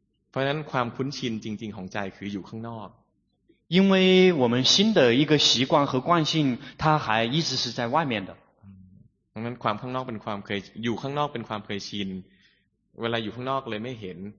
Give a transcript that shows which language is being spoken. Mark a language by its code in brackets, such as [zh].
[th] เพราะนั้นความคุ้นชินจริงๆของใจคืออยู่ข้างนอก [zh] 因为我们新的一个习惯和惯性它还一直是在外面的 [th] ดังนั้นความข้างนอกเป็นความเคยอยู่ข้างนอกเป็นความเคยชินเวลาอยู่ข้างนอกเลยไม่เห็น